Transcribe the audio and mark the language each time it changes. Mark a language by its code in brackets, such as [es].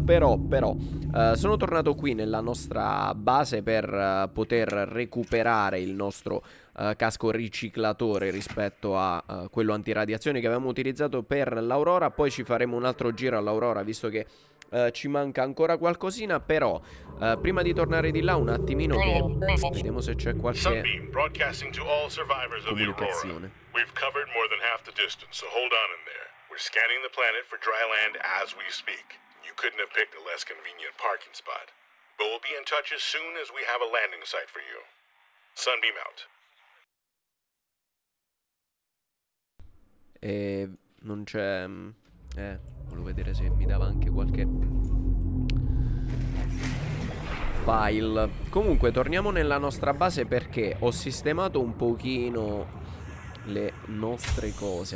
[it] Però, sono tornato qui nella nostra base per poter recuperare il nostro casco riciclatore rispetto a quello antiradiazione che avevamo utilizzato per l'Aurora. Poi ci faremo un altro giro all'Aurora, visto che ci manca ancora qualcosina. Però prima di tornare di là un attimino vediamo se c'è qualche comunicazione. [en] We've covered more than half the distance, so hold on in there. We're scanning the planet for dry land as we speak. You couldn't have picked a less convenient parking spot. But we'll be in touch as soon as we have a landing site for you. Sunbeam out. [it] E non c'è volevo vedere se mi dava anche qualche file. Comunque torniamo nella nostra base perché ho sistemato un pochino le nostre cose.